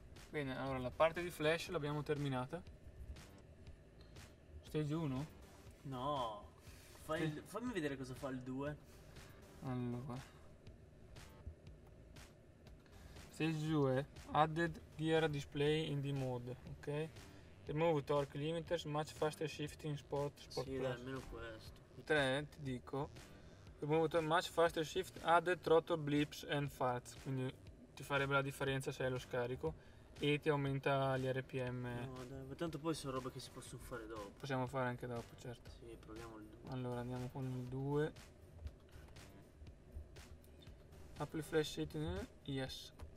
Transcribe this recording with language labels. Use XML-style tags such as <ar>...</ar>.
<it>Bene, allora la parte di flash l'abbiamo terminata.</it> <en>Stage 1?</en> <it>No, fammi vedere cosa fa il 2. Allora.</it> <en>Stage 2, added gear display in D mode, ok? Remove torque limiters, much faster shifting sport</en> <it>Sì, dai,</it> <en>plus.</en> <it>almeno questo. 3, ti dico.</it> <en>Remove torque, much faster shift, added throttle blips and farts.</en> <it>Quindi ti farebbe la differenza se è lo scarico. E ti aumenta gli RPM. No, dai, ma tanto poi sono robe che si possono fare dopo. Possiamo fare anche dopo, certo. Sì, proviamo il 2. Allora andiamo con il 2.</it> <en>Apply flash setting. Yes.</en>